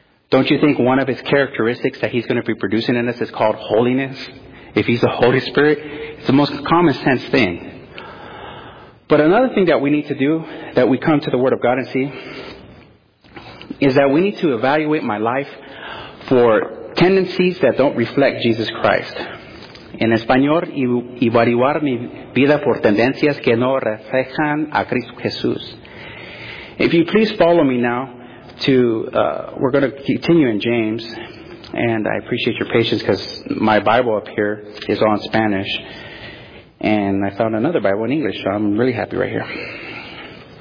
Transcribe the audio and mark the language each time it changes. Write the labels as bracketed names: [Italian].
[English] Don't you think one of His characteristics that He's going to be producing in us is called holiness? If He's the Holy Spirit, it's the most common sense thing. But another thing that we need to do, that we come to the Word of God and see, is that we need to evaluate my life for tendencies that don't reflect Jesus Christ. [Spanish] En español, evaluar mi vida por tendencias que no reflejan a Cristo Jesús. [English] If you please follow me now to, we're going to continue in James. And I appreciate your patience because my Bible up here is all in Spanish. And I found another Bible in English, so I'm really happy right here.